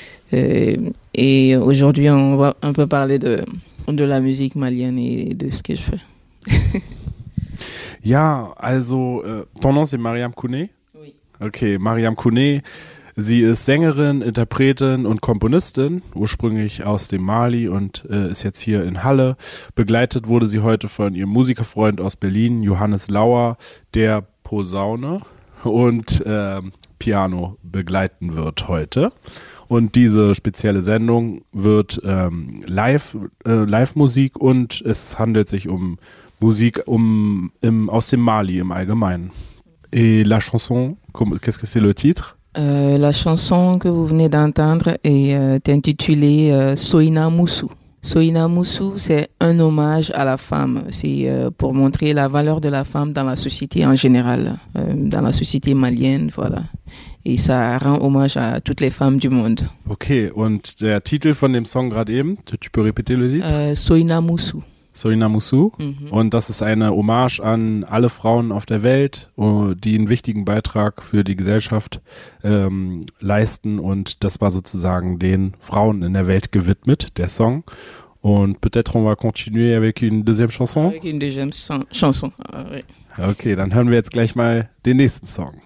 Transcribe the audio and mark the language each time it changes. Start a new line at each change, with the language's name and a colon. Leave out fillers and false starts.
French: Et aujourd'hui, on va un peu parler de la musique malienne et de ce que je fais.
German: Ja, also,
French: ton nom c'est Mariam Kone? Oui. Ok, Mariam Kone.
German: Sie ist Sängerin, Interpretin und Komponistin, ursprünglich aus dem Mali und ist jetzt hier in Halle. Begleitet wurde sie heute von ihrem Musikerfreund aus Berlin, Johannes Lauer, der Posaune und Piano begleiten wird heute. Und diese spezielle Sendung wird Live-Musik und es handelt sich um Musik aus dem Mali im Allgemeinen.
French: Et la chanson, qu'est-ce que c'est le titre? La chanson que vous venez d'entendre est intitulée Soina Moussou. Soina Moussou, c'est un hommage à la femme. C'est pour montrer la valeur de la femme dans la société en général, dans la société malienne, voilà. Et ça rend hommage à toutes les femmes du monde.
German: Ok, und der Titel von dem Song gerade eben,
French: tu peux répéter le titre? Soina Moussou. Soina Moussou. Mm-hmm.
German: Und das ist eine Hommage an alle Frauen auf der Welt, die einen wichtigen Beitrag für die Gesellschaft leisten. Und das war sozusagen den Frauen in der Welt gewidmet, der Song.
French: Und peut-être on va continuer avec une deuxième chanson? Avec une deuxième chanson, oui.
German: Okay, dann hören wir jetzt gleich mal den nächsten Song.